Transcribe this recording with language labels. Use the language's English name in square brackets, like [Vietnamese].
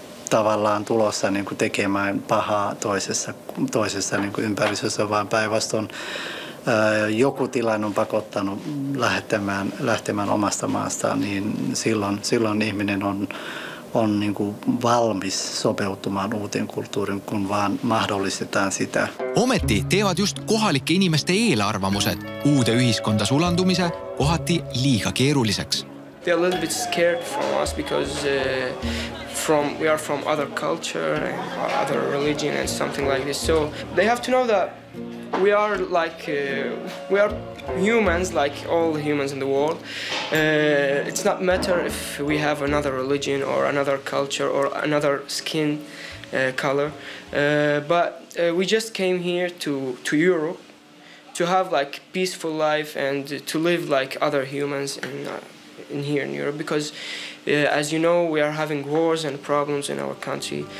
[Finnish] tavallaan tulossa niin kuin tekemään pahaa toisessa niin kuin ympäristössä, vaan päinvastoin joku tilanne on pakottanut lähtemään omasta maastaan, niin silloin ihminen on niin kuin valmis sopeutumaan uuteen kulttuuriin, kun vaan mahdollistetaan sitä. [Estonian] Ometi teevad just kohalike inimeste eelarvamused uude ühiskonda sulandumise kohati liiga keeruliseks. [English] They're a little bit scared from us because we are from other culture and other religion and something like this. So they have to know that we are like we are humans, like all humans in the world. It's not matter if we have another religion or another culture or another skin color, but we just came here to Europe to have like peaceful life and to live like other humans in here in Europe, because as you know, we are having wars and problems in our country.